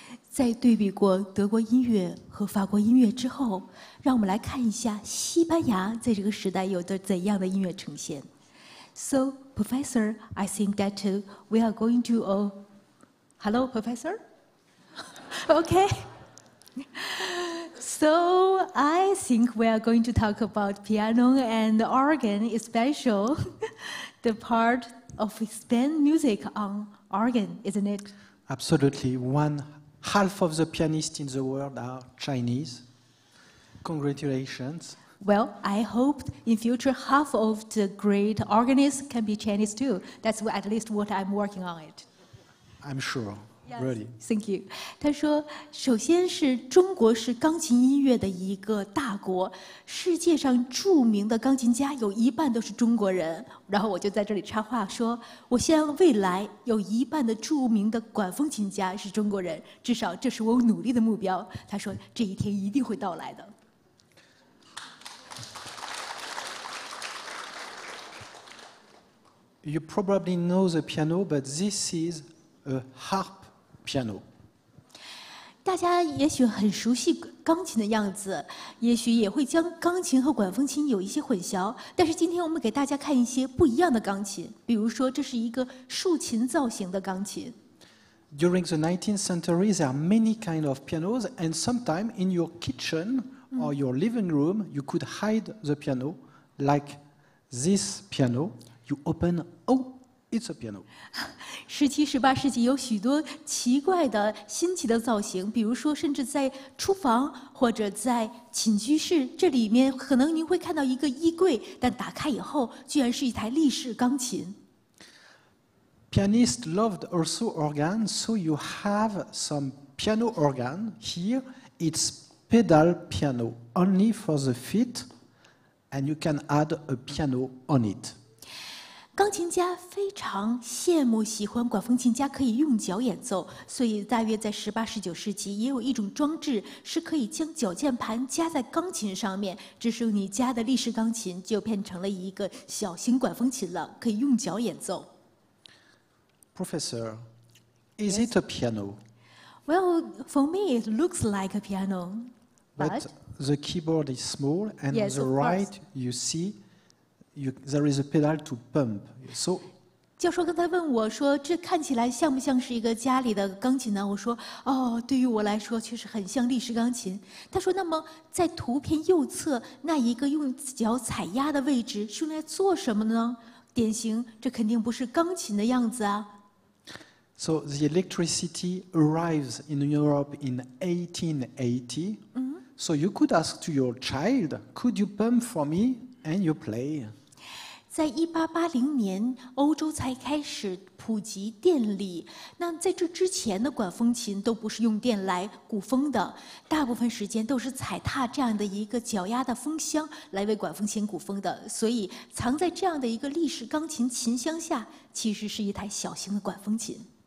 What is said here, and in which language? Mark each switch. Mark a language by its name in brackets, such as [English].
[Chinese] 在对比过德国音乐和法国音乐之后，让我们来看一下西班牙在这个时代有着怎样的音乐呈现。 [English] So, Professor, I think that we are going to a... Hello, Professor? Okay. So, I think we are going to talk about piano and organ, especially the part of Spain music on organ, isn't it? Absolutely. One half of the pianists in the world are Chinese. Congratulations. Well, I hope in future half of the great organists can be Chinese too. That's at least what I'm working on it. I'm sure, yes, really. Thank you. [Chinese] 他说，首先是中国是钢琴音乐的一个大国，世界上著名的钢琴家有一半都是中国人。然后我就在这里插话说，我希望未来有一半的著名的管风琴家是中国人，至少这是我努力的目标。他说，这一天一定会到来的。 [English] You probably know the piano, but this is a harp piano. [Chinese] 大家也许很熟悉钢琴的样子，也许也会将钢琴和管风琴有一些混淆。但是今天我们给大家看一些不一样的钢琴，比如说这是一个竖琴造型的钢琴。 [English] During the 19th century, there are many kinds of pianos, and sometimes in your kitchen or your living room, you could hide the piano, like this piano. You open, oh, it's a piano. [Chinese] 十七、十八世纪有许多奇怪的、新奇的造型，比如说，甚至在厨房或者在寝居室，这里面可能您会看到一个衣柜，但打开以后，居然是一台立式钢琴。 [English] Pianists loved also organs, so you have some piano organ here. It's pedal piano only for the feet, and you can add a piano on it. [Chinese] 钢琴家非常羡慕喜欢管风琴家可以用脚演奏，所以大约在十八、十九世纪，也有一种装置是可以将脚键盘加在钢琴上面，这时候你家的立式钢琴就变成了一个小型管风琴了，可以用脚演奏。 [English] Professor, is it a piano? Well, for me, it looks like a piano, but the keyboard is small, and yes, the right you see. There is a pedal to pump. So, [Chinese] 教授刚才问我说，这看起来像不像是一个家里的钢琴呢？我说，哦，对于我来说确实很像立式钢琴。他说，那么在图片右侧那一个用脚踩压的位置是用来做什么呢？典型，这肯定不是钢琴的样子啊。 [English] So the electricity arrives in Europe in 1880. So you could ask to your child, could you pump for me and you play? [Chinese] 在一八八零年，欧洲才开始普及电力。那在这之前的管风琴都不是用电来鼓风的，大部分时间都是踩踏这样的一个脚压的风箱来为管风琴鼓风的。所以，藏在这样的一个立式钢琴琴箱下，其实是一台小型的管风琴。